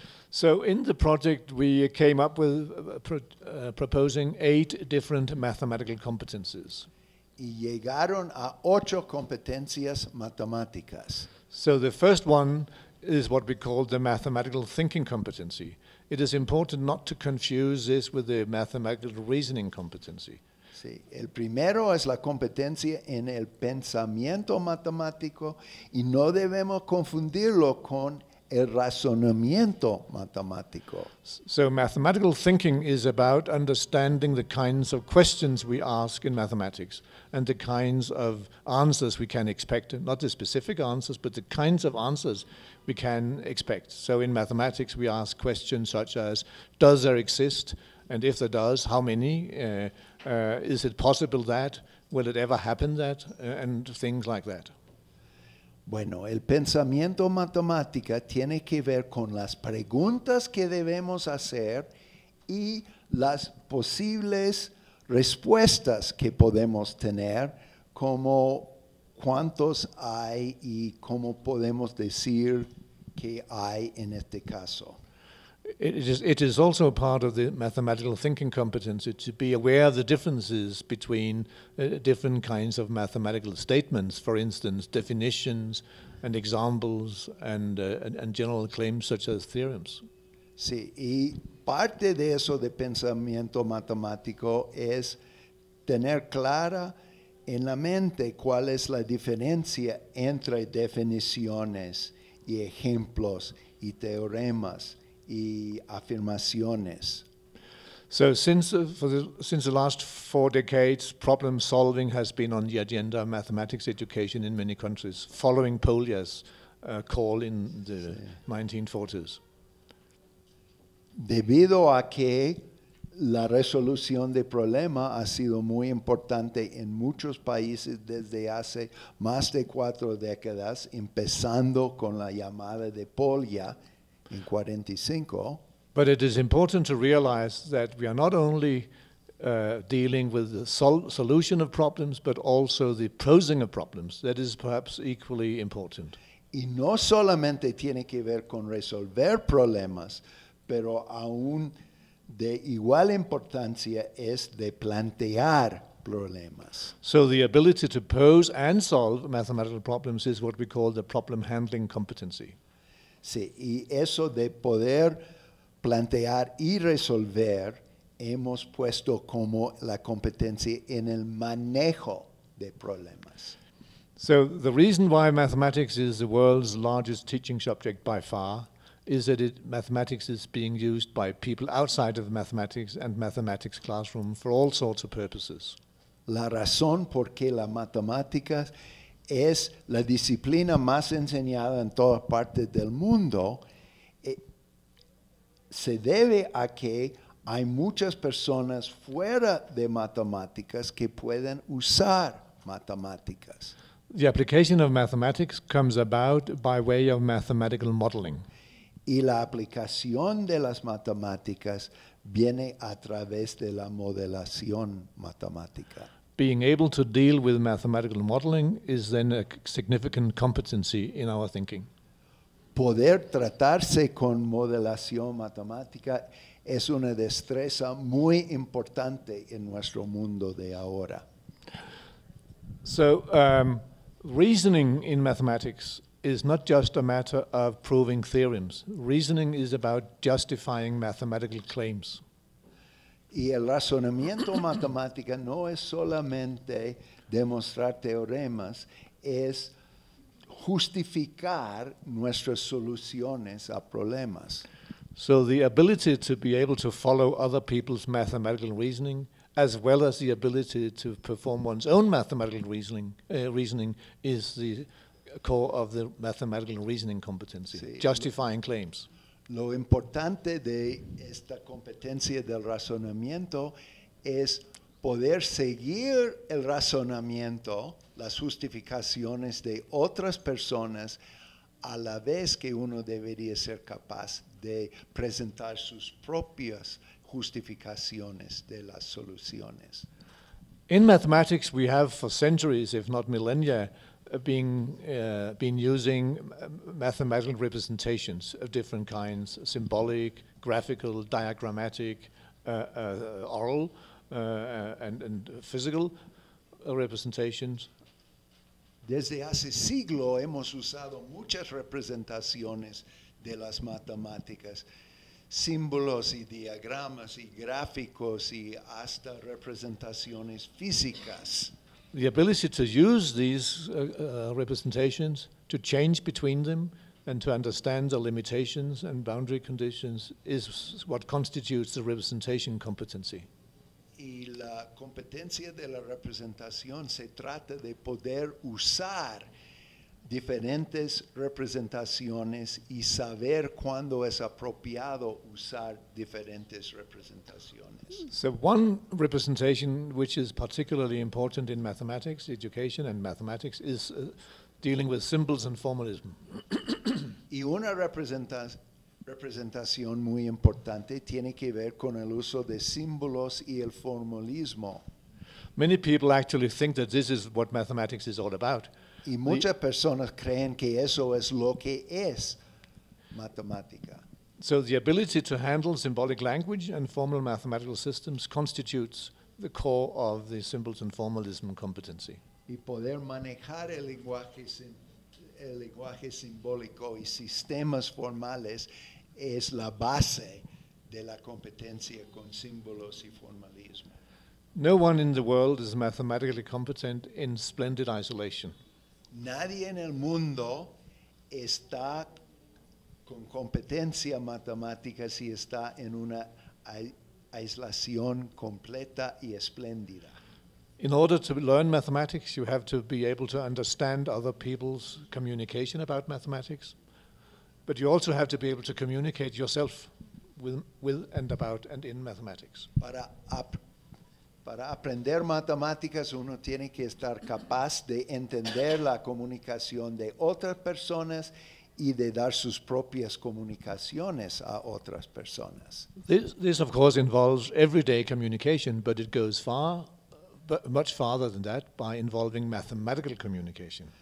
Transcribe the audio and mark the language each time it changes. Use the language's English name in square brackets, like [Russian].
[English] So in the project we came up with proposing 8 different mathematical competencies. [Spanish] Y llegaron a 8 competencias matemáticas. [English] So the first one is what we call the mathematical thinking competency. It is important not to confuse this with the mathematical reasoning competency. [Spanish] Sí, el primero es la competencia en el pensamiento matemático y no debemos confundirlo con el razonamiento matemático. [English] So mathematical thinking is about understanding the kinds of questions we ask in mathematics and the kinds of answers we can expect, not the specific answers, but the kinds of answers we can expect. So in mathematics we ask questions such as, does there exist? And if there does, how many? Is it possible that? Will it ever happen that? And things like that. [Spanish] Bueno, el pensamiento matemática tiene que ver con las preguntas que debemos hacer y las posibles respuestas que podemos tener, como cuántos hay y cómo podemos decir que hay en este caso. [English] It is also a part of the mathematical thinking competency to be aware of the differences between different kinds of mathematical statements, for instance, definitions and examples and general claims such as theorems. [Spanish] Sí, y parte de eso de pensamiento matemático es tener clara en la mente cuál es la diferencia entre definiciones y ejemplos y teoremas. Y afirmaciones. [English] So since the last 4 decades, problem solving has been on the agenda of mathematics education in many countries, following Polya's call in the 1940s. [Spanish] Debido a que la resolución de problema ha sido muy importante en muchos países desde hace más de 4 décadas, empezando con la llamada de Polya. [English] In 45. But it is important to realize that we are not only dealing with the solution of problems, but also the posing of problems. That is perhaps equally important. [Spanish] Y no solamente tiene que ver con resolver problemas, pero aún de igual importancia es de plantear problemas. [English] So the ability to pose and solve mathematical problems is what we call the problem handling competency. [Spanish] Sí, y eso de poder plantear y resolver hemos puesto como la competencia en el manejo de problemas. [English] So the reason why mathematics is the world's largest teaching subject by far is that mathematics is being used by people outside of mathematics and mathematics classroom for all sorts of purposes. [Spanish] La razón por qué la matemática es la disciplina más enseñada en todas partes del mundo se debe a que hay muchas personas fuera de matemáticas que pueden usar matemáticas. [English] The application of mathematics comes about by way of mathematical modeling. [Spanish] Y la aplicación de las matemáticas viene a través de la modelación matemática. [English] Being able to deal with mathematical modeling is then a significant competency in our thinking. [Spanish] Poder tratarse con modelación matemática es una destreza muy importante en nuestro mundo de ahora. [English] So, reasoning in mathematics is not just a matter of proving theorems. Reasoning is about justifying mathematical claims. [Spanish] Y el razonamiento matemático no es solamente demostrar teoremas, es justificar nuestras soluciones a problemas. [English] So the ability to be able to follow other people's mathematical reasoning, as well as the ability to perform one's own mathematical reasoning is the core of the mathematical reasoning competency, [Spanish] sí. [English] Justifying claims. [Spanish] Lo importante de esta competencia del razonamiento es poder seguir el razonamiento, las justificaciones de otras personas, a la vez que uno debería ser capaz de presentar sus propias justificaciones de las soluciones. [English] In mathematics, we have for centuries, if not millennia, been using mathematical representations of different kinds, symbolic, graphical, diagrammatic, oral, and physical representations. [Spanish] Desde hace siglo hemos usado muchas representaciones de las matemáticas, símbolos y diagramas y gráficos y hasta representaciones físicas. [English] The ability to use these representations, to change between them, and to understand the limitations and boundary conditions is what constitutes the representation competency. [Spanish] Y la competencia de la representación se trata de poder usar diferentes representaciones y saber cuándo es apropiado usar diferentes representaciones. [English] So one representation which is particularly important in mathematics, education and mathematics, is dealing with symbols and formalism. [Spanish] Y una representación muy importante tiene que ver con el uso de símbolos y el formalismo. [English] Many people actually think that this is what mathematics is all about. [Spanish] Y muchas personas creen que eso es lo que es matemática. [English] So the ability to handle symbolic language and formal mathematical systems constitutes the core of the symbols and formalism competency. [Spanish] Y poder manejar el lenguaje simbólico y sistemas formales es la base de la competencia con símbolos y formalismo. [English] No one in the world is mathematically competent in splendid isolation. [Spanish] Nadie en el mundo está con competencia matemática si está en una aislación completa y espléndida. [English] In order to learn mathematics, you have to be able to understand other people's communication about mathematics, but you also have to be able to communicate yourself with and about and in mathematics. [Spanish] Para aprender matemáticas, uno tiene que estar capaz de entender la comunicación de otras personas y de dar sus propias comunicaciones a otras personas. [English] This of course, involves everyday communication, but it goes far, but much farther than that, by involving mathematical communication.